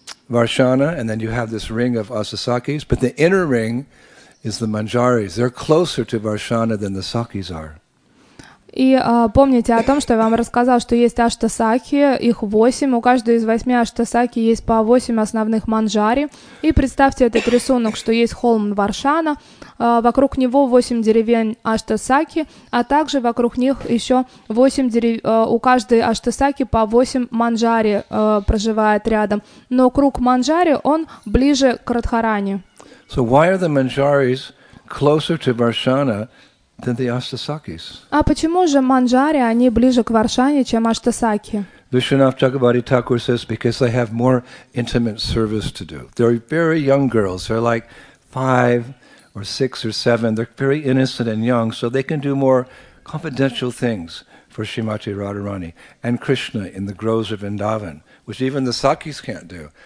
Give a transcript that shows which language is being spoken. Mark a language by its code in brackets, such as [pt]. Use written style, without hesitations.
[en] Varshana, and then you have this ring of Asasakis, but the inner ring is the Manjaris. They're closer to Varshana than the Sakis are. [ru] И помните о том, что я вам рассказал, что есть аштасакхи, их восемь, у каждой из восьми аштасакхи есть по восемь основных манджари. И представьте этот рисунок, что есть холм Варшана, вокруг него восемь деревень аштасакхи, а также вокруг них еще восемь деревень, у каждой аштасакхи по восемь манджари проживает рядом. Но круг манджари, он ближе к Радхарани. [en] So why are the manjaris closer to Varshana than the astasakhis? [ru] А почему же манджари, они ближе к Варшане, чем аштасакхи? [en] Vishwanath Chakrabarti Thakur says, because they have more intimate service to do. They're very young girls. They're like five or six or seven. They're very innocent and young, so they can do more confidential things for Srimati Radharani and Krishna in the groves of Vrindavan, which even the Sakis can't do.